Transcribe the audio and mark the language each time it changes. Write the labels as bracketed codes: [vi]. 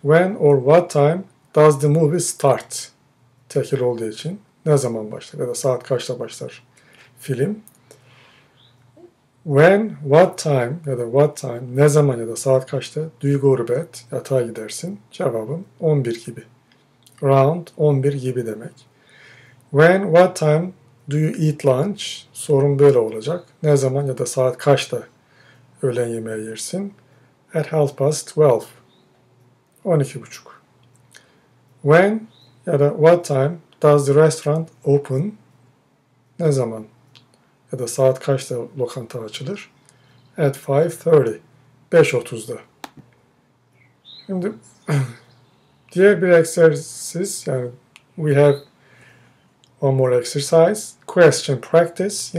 [en] When or what time does the movie start? [tr] Tekil olduğu için. Ne zaman başlar ya da saat kaçta başlar film? [en] When, what time [tr] ya da [en] what time, [tr] ne zaman ya da saat kaçta [en] do you go to bed? [tr] Yatağa gidersin. Cevabım 11 gibi. Round 11 gibi demek. [en] When, what time do you eat lunch? [tr] Sorun böyle olacak. Ne zaman ya da saat kaçta öğlen yemeği yersin? [en] At 12:30. 12:30. When [tr] ya da [en] what time does the restaurant open? [tr] Ne zaman ya da saat kaçta lokanta açılır? [en] At 5:30. [tr] 5:30'da. Şimdi diğer bir egzersiz, yani [en] We have one more exercise. Question practice.